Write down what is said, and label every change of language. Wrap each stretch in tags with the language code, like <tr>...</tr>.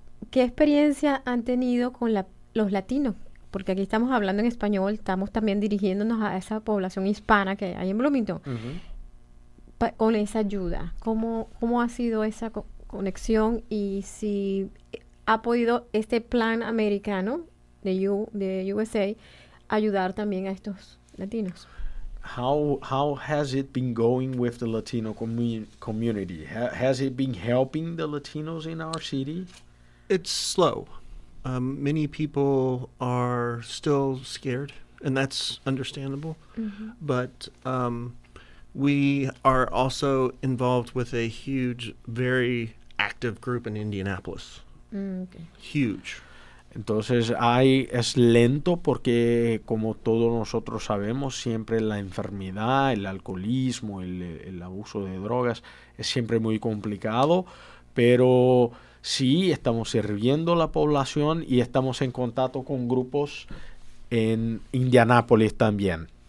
<es>¿qué experiencia han tenido con los latinos? Porque aquí estamos hablando en español, estamos también dirigiéndonos a esa población hispana que hay en Bloomington. Uh-huh. Con esa ayuda, ¿cómo ha sido esa conexión? Y si ha podido este plan americano de USA ayudar también a estos latinos.</es> <en>How has it been going with the Latino community? Has it been helping the Latinos in our city? It's slow. Many people are still scared, and that's understandable. Mm-hmm. But we are also involved with a huge, very active group in Indianapolis. Okay. Huge.</en> <es>Entonces, es lento porque, como todos nosotros sabemos, siempre la enfermedad, el alcoholismo, el abuso de drogas es siempre muy complicado, pero sí, estamos sirviendo a la población y estamos en contacto con grupos en Indianápolis también.</es>